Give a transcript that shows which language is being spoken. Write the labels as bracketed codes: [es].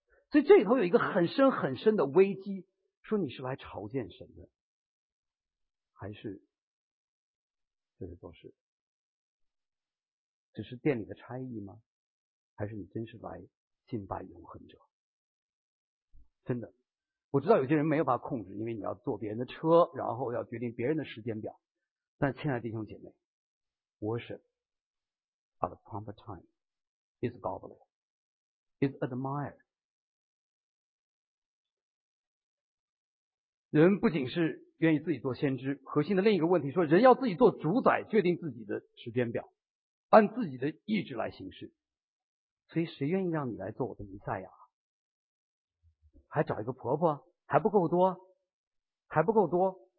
[zh] 所以这里头有一个很深很深的危机，说你是来朝见神的，还是这是做事只是店里的差役吗？还是你真是来敬拜永恒者？真的，我知道有些人没有办法控制，因为你要坐别人的车，然后要决定别人的时间表。但亲爱的弟兄姐妹， [en] Worship at the proper time is godly, is admired。 [zh] 人不仅是愿意自己做先知，核心的另一个问题说，人要自己做主宰，决定自己的时间表，按自己的意志来行事。所以谁愿意让你来做我的弥赛亚？还找一个婆婆？还不够多？还不够多？